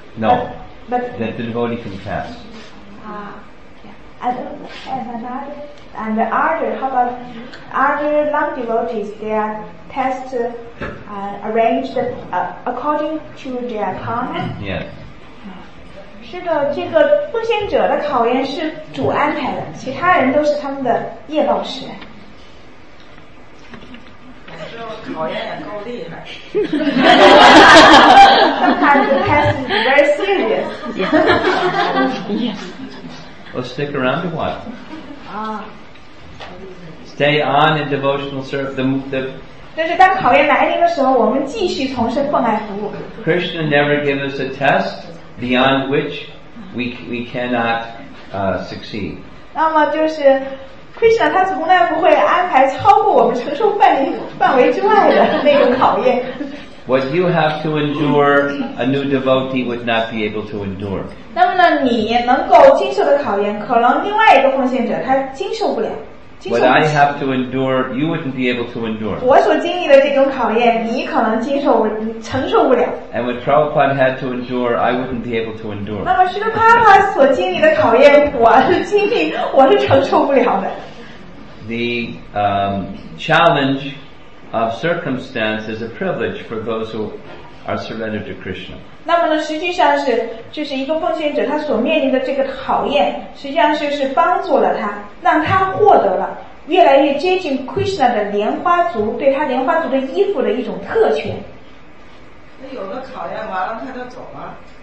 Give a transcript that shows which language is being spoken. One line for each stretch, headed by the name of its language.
English: No, but that the devotee can pass. And other non-devotees, their test arranged according to their karma. Yes.
Chinese: 是的，这个奉献者的考验是主安排的，其他人都是他们的业报师。这考验也够厉害。
English: Sometimes the test is very serious. Yes. Well, stick around a while. Stay on in devotional service.
Chinese: 但是当考验来临的时候，我们继续从事奉爱服务。
English: Krishna never gives us a test beyond which. We cannot succeed.
Chinese: 那么就是 Krishna 他从来不会安排超过我们承受范围之外的那种考验。
English: What you have to endure, a new devotee would not be able to endure.
Chinese: 那么呢，你能够经受的考验，可能另外一个奉献者他经受不了。
English: What I have to endure, you wouldn't be able to endure.
Chinese: 我所经历的这种考验，你可能经受不，承受不了。
English: And what Prabhupada had to endure, I wouldn't be able to endure.
Chinese: 那么是他所经历的考验，我是承受不了的。
English: The challenge of circumstance is a privilege for those who are surrendered to Krishna.
Chinese: 那么呢，实际上是就是一个奉献者他所面临的这个考验，实际上是帮助了他。让他获得了越来越接近 Krishna 的莲花族对他莲花族的依附的一种特权。那有的考验完了他就走了。